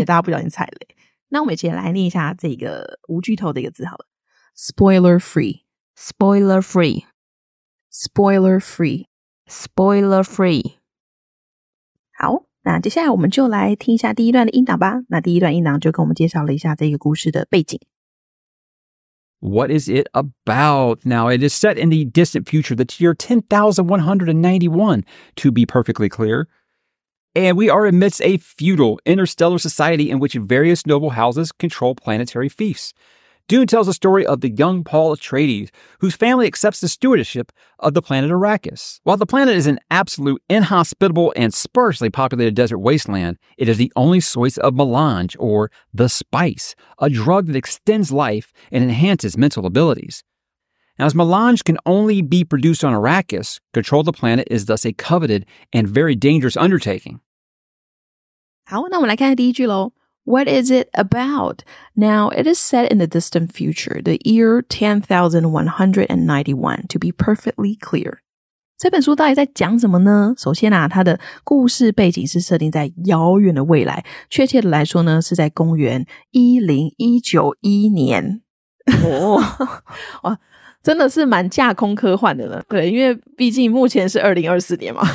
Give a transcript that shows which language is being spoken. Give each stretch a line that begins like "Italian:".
Chinese: 大家不小心踩雷那我们先来念一下这个无剧透的一个字好了 spoiler free
English: spoiler free spoiler free spoiler free
Chinese: 好那接下来我们就来听一下第一段的音档吧。那第一段音档就跟我们介绍了一下这个故事的背景。
English: What is it about? Now, it is set in the distant future, the year 10,191, to be perfectly clear. And we are amidst a feudal interstellar society in which various noble houses control planetary fiefs. Dune tells the story of the young Paul Atreides, whose family accepts the stewardship of the planet Arrakis. While the planet is an absolute inhospitable and sparsely populated desert wasteland, it is the only source of melange, or the spice, a drug that extends life and enhances mental abilities. Now, as melange can only be produced on Arrakis, control of the planet is thus a coveted and very dangerous undertaking.
Chinese: 好，那我们来看第一句咯。
English: What is it about? Now, it is set in the distant future, the year 10,191, to be perfectly clear.
Chinese: 这本书到底在讲什么呢？首先啊，它的故事背景是设定在遥远的未来，确切的来说呢，是在公元10191年。哇，真的是蛮架空科幻的了。对，因为毕竟目前是2024年嘛。